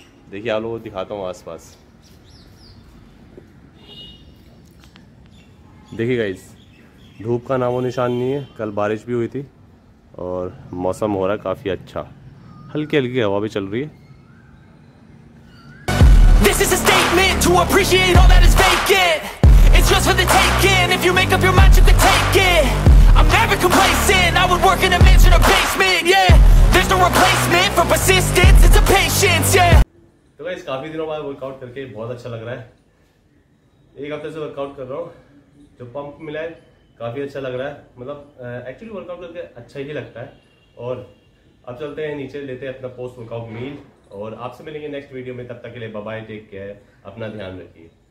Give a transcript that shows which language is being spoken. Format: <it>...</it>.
<hi>देखिए, आप लोगों को दिखाता हूँ आसपास। देखिए गाइस, धूप का नामो निशान नहीं है, कल बारिश भी हुई थी और मौसम हो रहा है काफ़ी अच्छा, हल्की हल्की हवा भी चल रही है।</hi> <en>This is a statement to appreciate all that is vacant. It's just for the taking. If you make up your mind, you can take it. I'm never complacent. I would work in a mansion or basement. Yeah, there's no replacement for persistence. It's a patience. Yeah.</en> <hi>तो guys, काफी दिनों बाद workout करके बहुत अच्छा लग रहा है। एक हफ्ते से वर्कआउट कर रहा हूँ, जो पंप मिला है काफी अच्छा लग रहा है। मतलब एक्चुअली वर्कआउट करके अच्छा ही लगता है। और अब चलते हैं नीचे, लेते हैं अपना पोस्ट वर्कआउट मील, और आपसे मिलेंगे नेक्स्ट वीडियो में। तब तक के लिए बाय बाय,</hi> <en>take care,</en> <hi>अपना ध्यान रखिए।</hi>